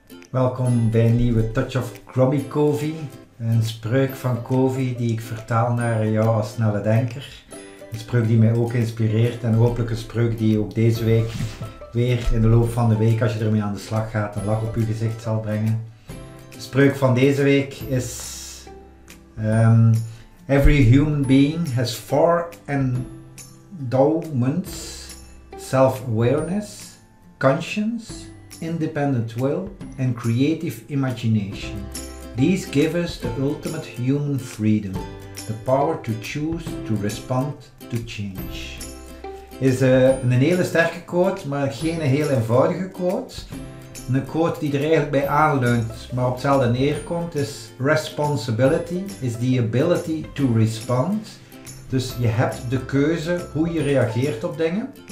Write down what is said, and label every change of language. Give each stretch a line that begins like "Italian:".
Dutch: Welkom bij een nieuwe Touch of Grubby Covey. Een spreuk van Covey die ik vertaal naar jou als snelle denker. Een spreuk die mij ook inspireert en hopelijk een spreuk die ook deze week weer in de loop van de week, als je ermee aan de slag gaat, een lach op je gezicht zal brengen. De spreuk van deze week is...
English: Every human being has four endowments: self-awareness, conscience, independent will and creative imagination. These give us the ultimate human freedom, the power to choose, to respond, to change.
Dutch: Is een hele sterke quote, maar geen een heel eenvoudige quote. Een quote die er eigenlijk bij aanleunt, maar op hetzelfde neerkomt, is responsibility, is the ability to respond. Dus je hebt de keuze hoe je reageert op dingen.